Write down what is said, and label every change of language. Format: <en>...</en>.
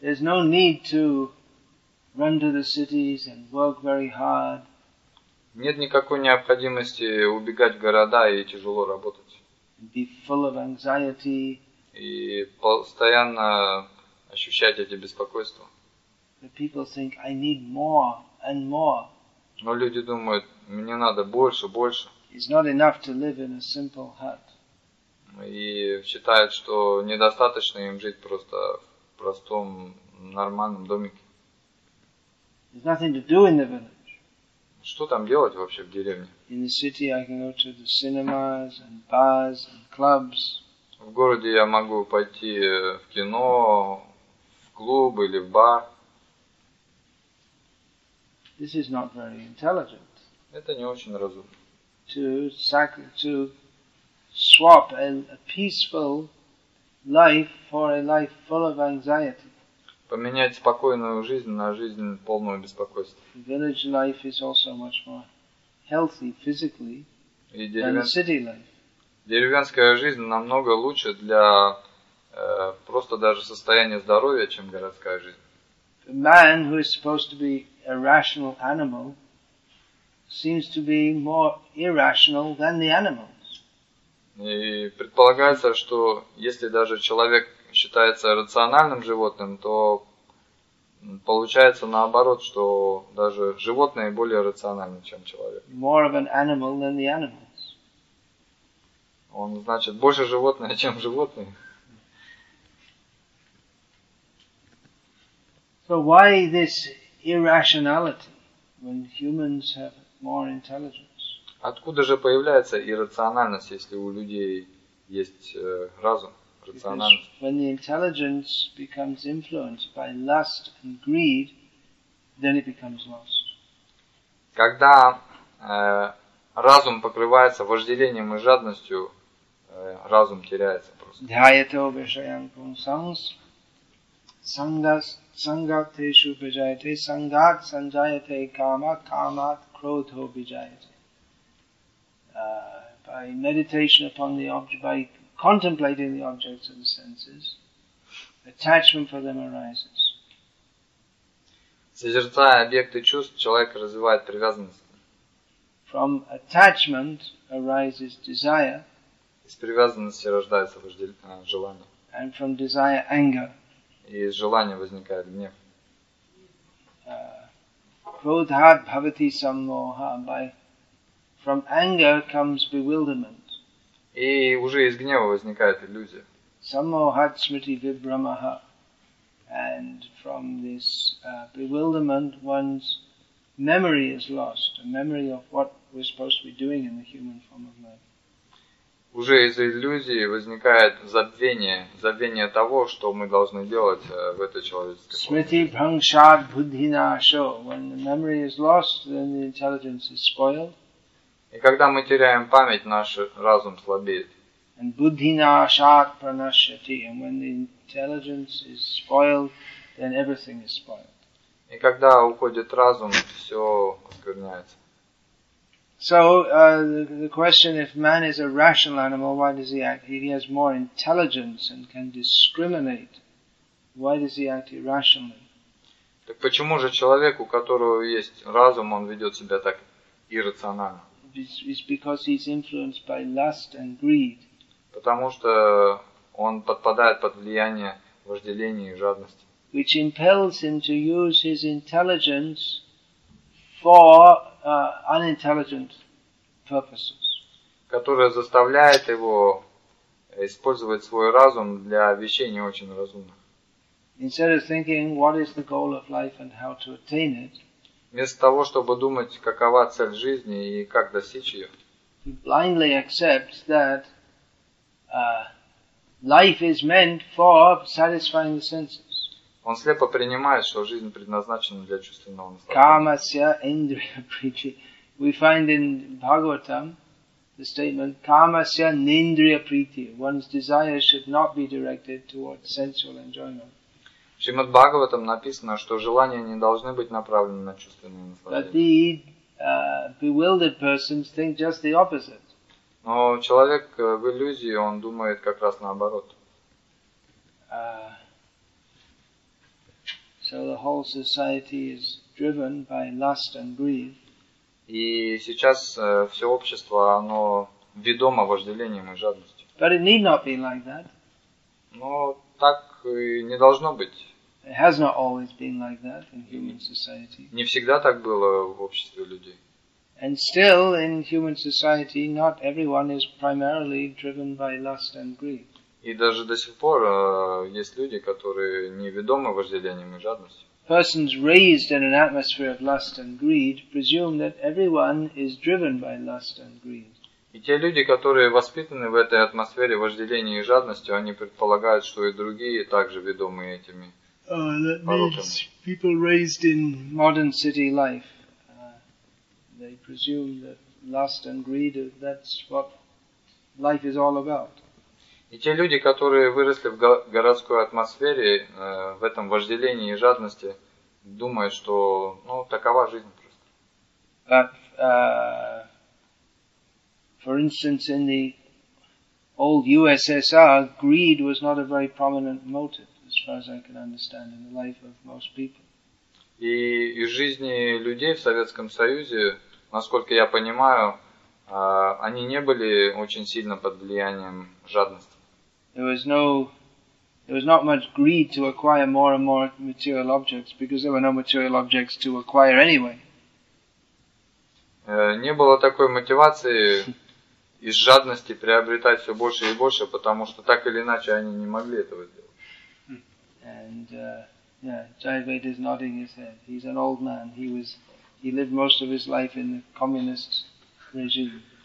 <en>There's no need to run to the cities and work very hard.</en> <ru>Нет никакой необходимости убегать в города и тяжело работать.</ru> <en>Be full of anxiety.</en> <ru>И постоянно ощущать эти беспокойства.</ru> <en>But people think, I need more and more.</en> <ru>Но люди думают, мне надо больше, больше.</ru> <en>It's not enough to live in a simple hut.</en> <ru>И считают, что недостаточно им жить просто в простом, нормальном домике.</ru> <en>There's nothing to do in the village.</en> <ru>Что там делать вообще в деревне?</ru> <en>In the city I can go to the cinemas and bars and clubs.</en> <ru>В городе я могу пойти в кино, в клуб или в бар.</ru> <en>This is not very intelligent.</en> <ru>Это не очень разумно.</ru> <en>To swap a peaceful life for a life full of anxiety.</en> <ru>Поменять спокойную жизнь на жизнь полную беспокойства.</ru> <en>Village life is also much more healthy physically than city life.</en> <ru>Деревенская жизнь намного лучше для просто даже состояния здоровья, чем городская жизнь.</ru> <en>Man, who is supposed to be a rational animal, seems to be more irrational than the animals.</en> <ru>И предполагается, что если даже человек считается рациональным животным, то получается наоборот, что даже животные более рациональны, чем человек.</ru> <en>More of an animal than the animals.</en> <ru>Он, значит, больше животное, чем животное.</ru> <en>So why this irrationality when humans have more intelligence?</en> <ru>Откуда же появляется иррациональность, если у людей есть разум, рациональность?</ru> <en>Because when the intelligence becomes influenced by lust and greed, then it becomes lost.</en> <ru>Когда разум покрывается вожделением и жадностью, разум теряется просто.</ru> <sa>Дхаяте обешаян пунсанс сангат сангатешу бижаяте сангат санжаяте кама камат кротхо бижаяте.</sa> <en>By meditation upon the object, by contemplating the objects of the senses, attachment for them arises.</en> <ru>Созерцая объекты чувств, человек развивает привязанность.</ru> <en>From attachment arises desire.</en> <ru>Из привязанности рождается желание.</ru> <en>And from desire, anger.</en> <ru>И из желания возникает гнев.</ru> <sa>Krodhat bhavati sammoha.</sa> <en>From anger comes bewilderment.</en> <ru>И уже из гнева возникает иллюзия.</ru> <sa>Sammohat smriti vibhramaha.</sa> <en>And from this bewilderment, one's memory is lost. A memory of what we're supposed to be doing in the human form of life.</en> <ru>Уже из иллюзии возникает забвение, забвение того, что мы должны делать в этой человеческой форме.</ru> <sa>Смрити бхрамшат буддхинашо.</sa> <en>When the memory is lost, then the intelligence is spoiled.</en> <ru>И когда мы теряем память, наш разум слабеет.</ru> <sa>And buddhinashat pranashati.</sa> <en>And when the intelligence is spoiled, then everything is spoiled.</en> <ru>И когда уходит разум, все оскверняется.</ru> <en>So the question: if man is a rational animal, why does he act? If he has more intelligence and can discriminate, why does he act irrationally?</en> <ru>Так почему же человек, у которого есть разум, он ведет себя так иррационально?</ru> <en>It's because he's influenced by lust and greed.</en> <ru>Потому что он подпадает под влияние вожделения и жадности.</ru> <en>Which impels him to use his intelligence for unintelligent purposes.</en> <ru>Которая заставляет его использовать свой разум для вещей не очень разумных.</ru> <en>Instead of thinking, what is the goal of life and how to attain it,</en> <ru>вместо того, чтобы думать, какова цель жизни и как достичь ее,</ru> <en>he blindly accepts that life is meant for satisfying the senses.</en> <ru>Он слепо принимает, что жизнь предназначена для чувственного наслаждения.</ru> <en>We find in Bhagavatam the statement,</en> <sa>Kamasya Nindriya Priti.</sa> <en>One's desire should not be directed towards sensual enjoyment.</en> <ru>В Шримад-Бхагаватам написано, что желания не должны быть направлены на чувственные наслаждения.</ru> <en>But the bewildered persons think just the opposite.</en> <ru>Но человек в иллюзии, он думает как раз наоборот.</ru> <en>So the whole society is driven by lust and greed.</en> <ru>И сейчас все общество, оно ведомо вожделением и жадностью.</ru> <en>But it need not be like that.</en> <ru>Но так и не должно быть.</ru> <en>It has not always been like that in human society.</en> <ru>Не всегда так было в обществе людей.</ru> <en>And still, in human society, not everyone is primarily driven by lust and greed.</en> <ru>И даже до сих пор есть люди, которые не ведомы вожделением и жадностью.</ru> <en>Persons raised in an atmosphere of lust and greed presume that everyone is driven by lust and greed.</en> <ru>И те люди, которые воспитаны в этой атмосфере вожделения и жадности, они предполагают, что и другие также ведомы этими.</ru> <en>That means people raised in modern city life. They presume that lust and greed, that's what life is all about.</en> <ru>И те люди, которые выросли в городской атмосфере, в этом вожделении и жадности, думают, что, ну, такова жизнь просто.</ru> <en>But, for instance, in the old USSR, greed was not a very prominent motive. As far as I can understand, in the life of most people.</en> <ru>И из жизни людей в Советском Союзе, насколько я понимаю, они не были очень сильно под влиянием жадности.</ru> <en>There was not much greed to acquire more and more material objects, because there were no material objects to acquire anyway.</en> <ru>Не было такой мотивации из жадности приобретать все больше и больше, потому что так или иначе они не могли этого сделать.</ru> <en>And Jayavedi is nodding his head. He's an old man. He lived most of his life in the communist regime.</en>